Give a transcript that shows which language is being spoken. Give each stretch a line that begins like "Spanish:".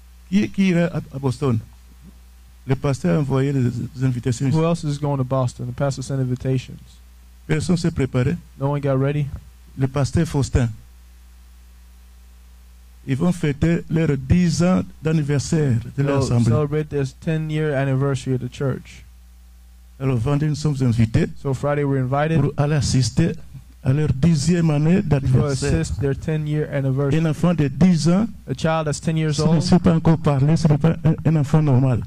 French: Qui ira à Boston? Le pasteur a envoyé les invitations.
English: Who else is going to Boston? The pastor sent invitations.
French: Personne s'est préparé.
English: No one got ready.
French: Le pasteur Faustin. Ils vont fêter leur 10 ans d'anniversaire de l'Assemblée.
English: They'll celebrate their 10-year anniversary of the church.
French: Alors, vendredi, nous sommes invités
English: so Friday we're invited
French: pour aller assister à leur 10e année d'anniversaire.
English: To assist their 10-year anniversary.
French: Un enfant de 10 ans,
English: a child that's 10 years old,
French: ne sait pas encore parler, ce n'est pas un enfant normal.